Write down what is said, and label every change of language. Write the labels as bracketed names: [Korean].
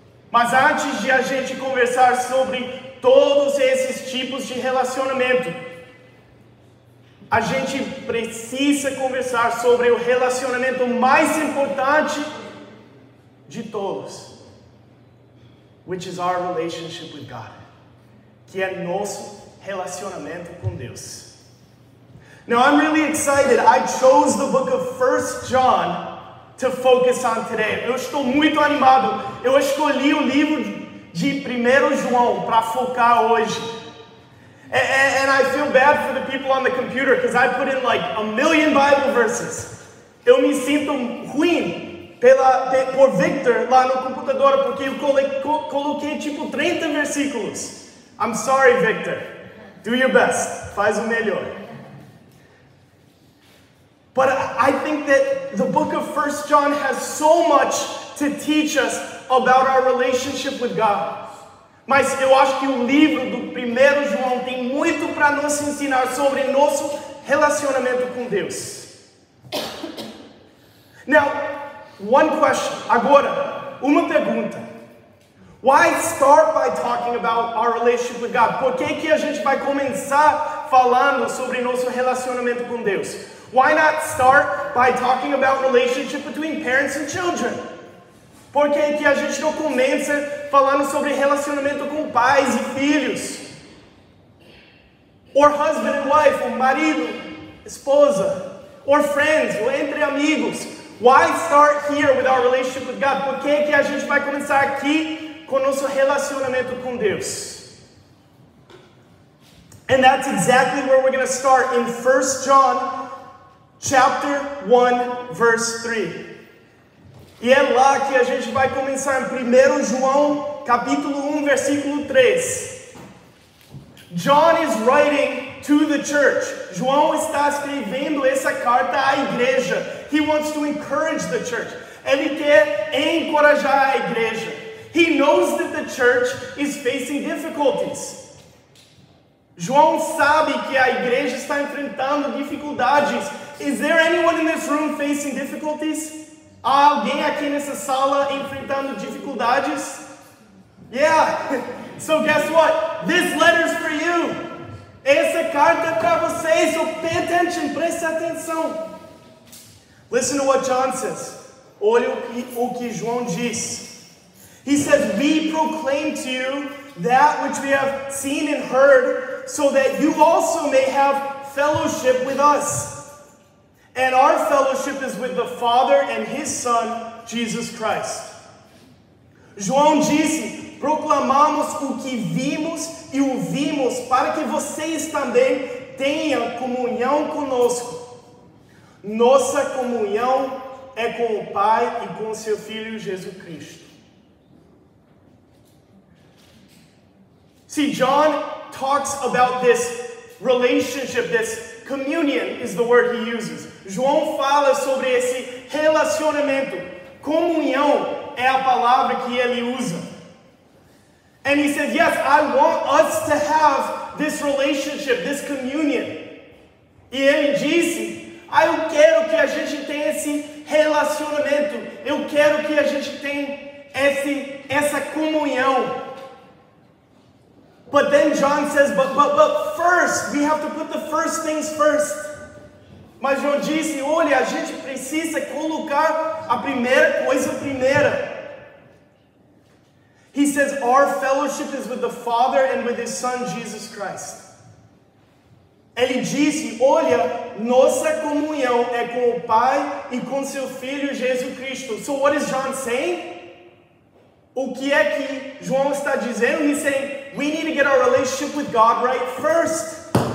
[Portuguese] Mas antes de a gente conversar sobre todos esses tipos de relacionamento, a gente precisa conversar sobre o relacionamento mais importante de todos, [English] which is our relationship with God, [Portuguese] que é nosso relacionamento com Deus. [English] Now I'm really excited. I chose the book of 1 John to focus on today. [Portuguese] Eu estou muito animado. Eu escolhi o livro de 1 João para focar hoje. [English] And I feel bad for the people on the computer because I put in like a million Bible verses. [Portuguese] Eu me sinto ruim por Victor lá no computador porque eu coloquei tipo 30 versículos. [English] I'm sorry, Victor. Do your best. [Portuguese] Faz o melhor. [English] But I think that the book of 1 John has so much to teach us about our relationship with God. [Portuguese] Mas eu acho que o livro do 1 João tem muito para nos ensinar sobre nosso relacionamento com Deus. [English] Now, one question. [Portuguese] Agora, uma pergunta. [English] Why start by talking about our relationship with God? [Portuguese] Por que que a gente vai começar falando sobre nosso relacionamento com Deus? [English] Why not start by talking about relationship between parents and children? [Portuguese] Por que que a gente não começa falando sobre relacionamento com pais e filhos? [English] Or husband and wife, [Portuguese] ou marido, esposa, [English] or friends, [Portuguese] ou entre amigos. [English] Why start here with our relationship with God? [Portuguese] Por que que a gente vai começar aqui com nosso relacionamento com Deus? [English] And that's exactly where we're going to start in 1 John chapter 1, verse 3. [Portuguese] E é lá que a gente vai começar em 1 João, capítulo 1, versículo 3. [English] John is writing to the church. [Portuguese] João está escrevendo essa carta à igreja. [English] He wants to encourage the church. [Portuguese] Ele quer encorajar a igreja. [English] He knows that the church is facing difficulties. [Portuguese] João sabe que a igreja está enfrentando dificuldades. [English] Is there anyone in this room facing difficulties? [Portuguese] Há alguém aqui nessa sala enfrentando dificuldades? Yeah. [English] So guess what? This letter's for you. [Portuguese] Essa carta é para vocês. [English] So pay attention. [Portuguese] Preste atenção. [English] Listen to what John says. [Portuguese] Olha o que João diz. [English] He says, we proclaim to you that which we have seen and heard, so that you also may have fellowship with us. And our fellowship is with the Father and His Son, Jesus Christ. [Portuguese] João disse, proclamamos o que vimos e ouvimos para que vocês também tenham comunhão conosco. Nossa comunhão é com o Pai e com o Seu Filho, Jesus Cristo. [English] See, John talks about this relationship, this communion is the word he uses. [Portuguese] João fala sobre esse relacionamento. Comunhão é a palavra que ele usa. [English] And he says, yes, I want us to have this relationship, this communion. [Portuguese] E ele disse, ah, eu quero que a gente tenha esse relacionamento. Eu quero que a gente tenha essa comunhão. [English] But then John says, but first, we have to put the first things first. [Portuguese] Mas João disse, olha, a gente precisa colocar a primeira coisa primeira. [English] He says, our fellowship is with the Father and with His Son, Jesus Christ. [Portuguese] Ele disse, olha, nossa comunhão é com o Pai e com Seu Filho, Jesus Cristo. [English] So what is John saying? [Portuguese] O que é que João está dizendo? [English] He's saying, we need to get our relationship with God right first.